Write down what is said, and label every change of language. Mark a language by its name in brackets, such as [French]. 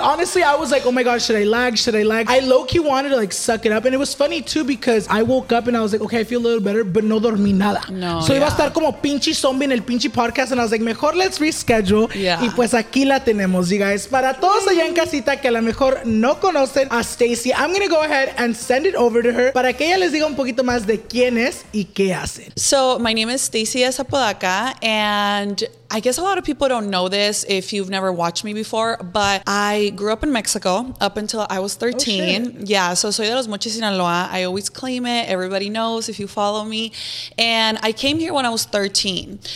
[English] Honestly, I was like, oh my gosh, should I lag? I low-key wanted to like suck it up. And it was funny too because I woke up and I was like, okay, I feel a little better, but [Spanish] no dormí nada. No, so iba a estar como pinche zombie en el pinche podcast. [English] And I was like, [Spanish] mejor [English] let's reschedule. Yeah. [Spanish] Y pues aquí la tenemos, [English] you guys. [Spanish] Para todos allá en casita que a lo mejor no conocen a Stacy, [English] I'm going to go ahead and send it over to her [Spanish] para que ella les diga un poquito más de quién es y qué hace. [English] So my name is Stacy Zapodaca and I guess a lot of people don't know this if you've never watched me before, but I grew up in Mexico up until I was 13. Oh, yeah, so [Spanish] soy de los [English] Mochis, Sinaloa. I always claim it. Everybody knows if you follow me. And I came here when I was 13.